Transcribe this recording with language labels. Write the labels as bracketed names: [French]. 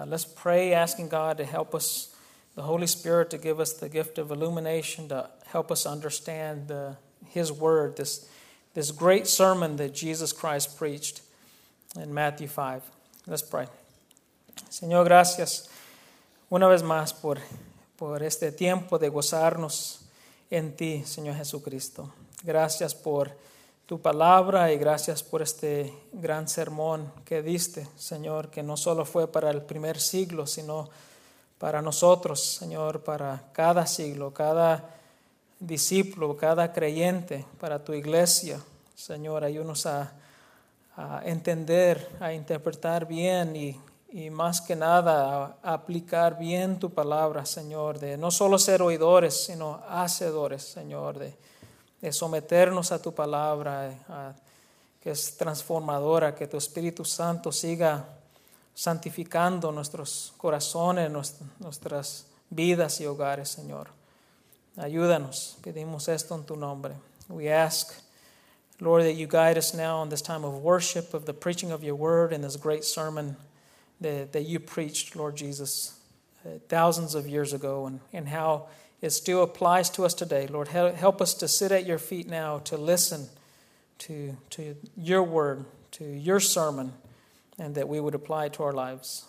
[English] Let's pray, asking God to help us, the Holy Spirit, to give us the gift of illumination, to help us understand His Word, this great sermon that Jesus Christ preached in Matthew 5. Let's pray. [Spanish] Señor, gracias una vez más por este tiempo de gozarnos en Ti, Señor Jesucristo. Gracias por Tu palabra y gracias por este gran sermón que diste, Señor, que no solo fue para el primer siglo, sino para nosotros, Señor, para cada siglo, cada discípulo, cada creyente, para Tu iglesia. Señor, ayúdanos a entender, a interpretar bien y más que nada a aplicar bien Tu palabra, Señor, de no solo ser oidores, sino hacedores, Señor, de someternos a Tu palabra, que es transformadora, que Tu Espíritu Santo siga santificando nuestros corazones, nuestras vidas y hogares, Señor. Ayúdanos, pedimos esto en Tu nombre. [English] We ask, Lord, that You guide us now in this time of worship, of the preaching of Your Word, in this great sermon that You preached, Lord Jesus, thousands of years ago, and how it still applies to us today. Lord, help us to sit at Your feet now to listen to Your Word, to Your sermon, and that we would apply it to our lives.